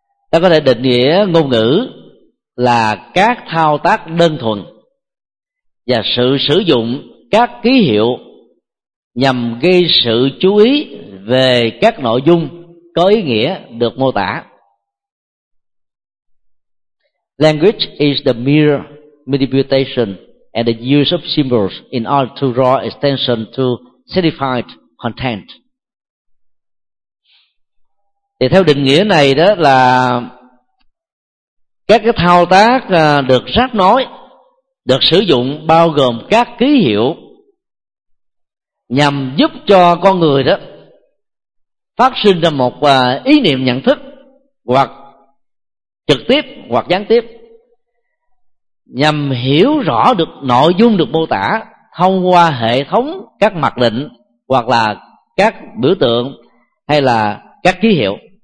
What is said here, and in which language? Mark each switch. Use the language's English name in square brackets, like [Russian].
[Vietnamese] Ta có thể định nghĩa ngôn ngữ là các thao tác đơn thuần và sự sử dụng các ký hiệu nhằm gây sự chú ý về các nội dung có ý nghĩa được mô tả. [English] Language is the mere manipulation and the use of symbols in order to draw attention to signified content. [Vietnamese] Thì theo định nghĩa này đó là các cái thao tác được ráp nối, được sử dụng bao gồm các ký hiệu nhằm giúp cho con người đó phát sinh ra một ý niệm nhận thức, hoặc trực tiếp hoặc gián tiếp, nhằm hiểu rõ được nội dung được mô tả thông qua hệ thống các mặc định hoặc là các biểu tượng hay là các ký hiệu.